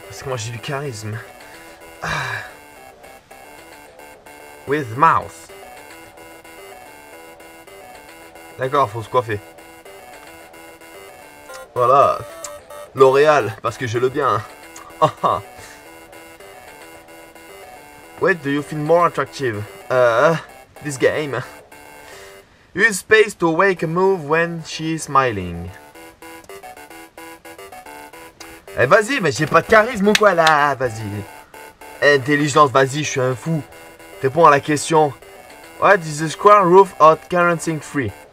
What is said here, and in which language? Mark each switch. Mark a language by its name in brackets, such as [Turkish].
[French] Parce que moi, j'ai du charisme. Ah. [English] With mouth. [French] D'accord, faut se coiffer. Voilà. L'Oréal, parce que je le bien. [English] What do you feel more attractive? This game. Use space to make a move when she's smiling. [French] Eh vas-y, mais j'ai pas de charisme ou quoi là? Vas-y. Intelligence, vas-y, je suis un fou. Réponds à la question. [English] What is the square root of 43?